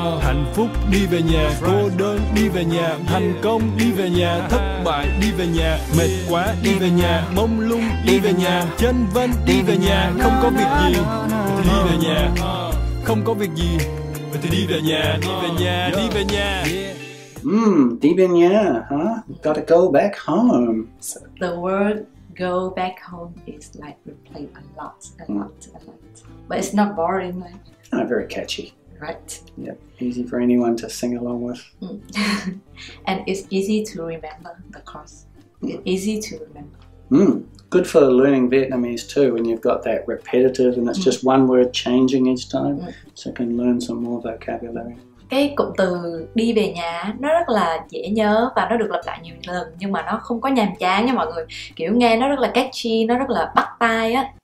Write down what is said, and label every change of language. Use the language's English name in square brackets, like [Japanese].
[Vietnamese] Hạnh phúc đi về nhà, cô đơn đi về nhà, thành công đi về nhà, thất bại đi về nhà, mệt quá đi về nhà, mông lung đi về nhà, chân vân đi về nhà, không có việc gì đi về nhà, không có việc gì thì đi về nhà, đi về nhà, đi về nhà. Đi về nhà, [English] huh? Gotta go back home. So the word go back home is like replayed a lot, but it's not boring, like. No, very catchy. Right. Yep. Easy for anyone to sing along with. And it's easy to remember the chorus. Easy to remember. Good for learning Vietnamese too, when you've got that repetitive and it's just one word changing each time. So you can learn some more vocabulary. [Vietnamese] Cái cụm từ đi về nhà nó rất là dễ nhớ và nó được lặp lại nhiều lần, nhưng mà nó không có nhàm chán nha mọi người. Kiểu nghe nó rất là catchy, nó rất là bắt tai á.